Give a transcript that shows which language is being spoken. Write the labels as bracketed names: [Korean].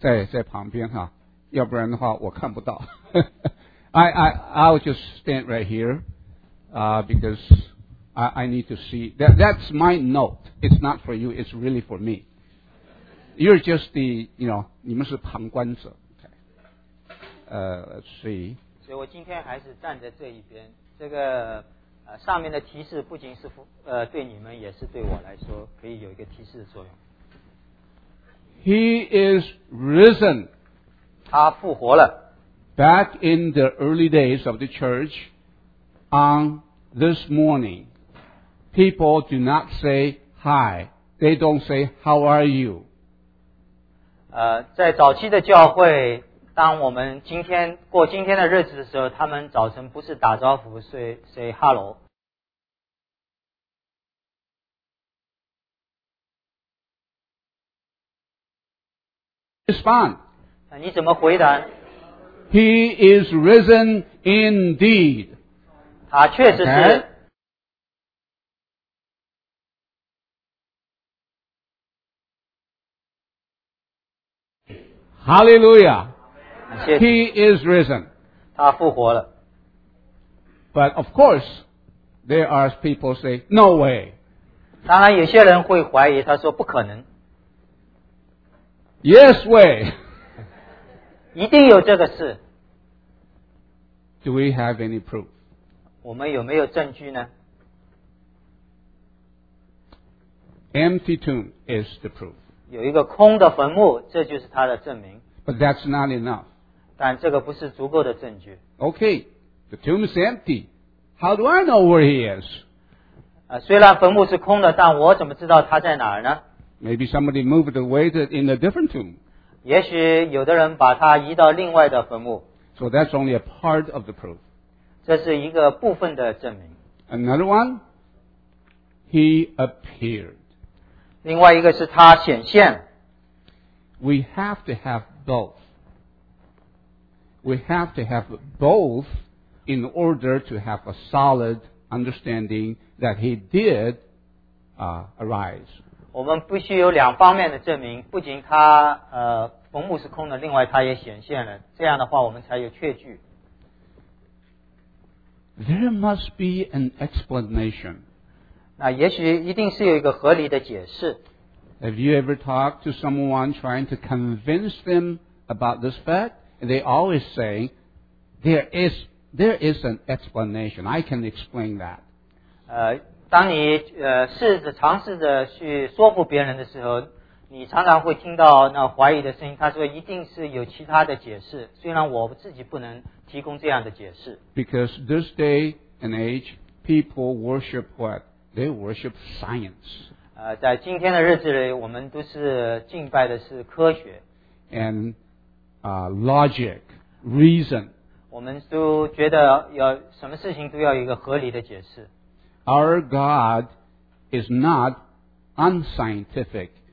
[Chinese] 在旁边哈，要不然的话我看不到。 [English] I'll just stand right here, because I need to see. That's my note. It's not for you. It's really for me. You're just the, you know, [Chinese] 你们是旁观者。 [English] Okay. Let's see. [Chinese] 所以我今天还是站在这一边。这个上面的提示不仅是对你们，也是对我来说可以有一个提示的作用。 [English] He is risen. [Chinese] 他复活了。 [English] Back in the early days of the church, on this morning, people do not say hi. They don't say how are you. [Chinese] 在早期的教会，当我们今天过今天的日子的时候，他们早晨不是打招呼，是 [English] say hello。 Respond. [Chinese] 你怎么回答？ [English] He is risen indeed. [Chinese] 他确实是。 [English] Hallelujah. He is risen. [Chinese] 他复活了。 [English] But of course, there are people say, no way. [Chinese] 当然有些人会怀疑，他说不可能。 [English] Yes way. [Chinese] 一定有这个事。 [English] Do we have any proof? [Chinese] 我们有没有证据呢？ [English] Empty tomb is the proof. [Chinese] 有一个空的坟墓，这就是它的证明。 [English] But that's not enough. [Chinese] 但这个不是足够的证据。 [English] Okay, the tomb is empty. How do I know where he is? [Chinese] 虽然坟墓是空的，但我怎么知道他在哪儿呢？ [English] Maybe somebody moved away in a different tomb. [Chinese] 也许有的人把它移到另外的坟墓。 [English] So that's only a part of the proof. [Chinese] 这是一个部分的证明。 [English] Another one, he appeared. [Chinese] 另外一个是他显现。 [English] We have to have both. We have to have both in order to have a solid understanding that he did arise. [Chinese] 我们必须有两方面的证明，不仅他坟墓是空的，另外他也显现了，这样的话我们才有确据。 [English] There must be an explanation. [Chinese] 那也许一定是有一个合理的解释。 [English] Have you ever talked to someone trying to convince them about this fact? And they always say, there is an explanation. I can explain that. [Chinese] 当你尝试着去说服别人的时候，你常常会听到那怀疑的声音，他说一定是有其他的解释，虽然我自己不能提供这样的解释。 [English] Because this day and age, people worship what? They worship science. [Chinese] 在今天的日子里，我们都是敬拜的是科学。 [English] And logic, reason. [Chinese] 我们都觉得要什么事情都要一个合理的解释。 [English] Our God is not unscientific.